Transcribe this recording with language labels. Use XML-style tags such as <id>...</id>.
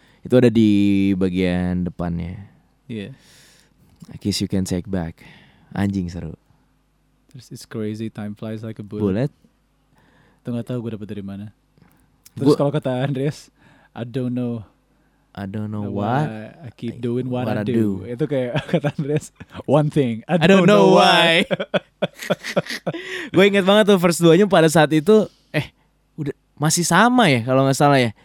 <id>Itu ada di bagian depannya. Iya.</id> <en>Yeah. I guess you can take back.</en> <id>Anjing seru.</id> <en>This is crazy, time flies like a bullet.</en> <id>Tuh gak tahu gue dapat dari mana. Terus kalau kata Andreas,</id> <en>I don't know why I keep doing what I do.</en> <id>Itu kayak kata Andreas,</id> <en>one thing. I don't know why.</en> <id>Gue ingat banget tuh verse 2-nya pada saat itu udah masih sama ya kalau enggak salah ya.</id>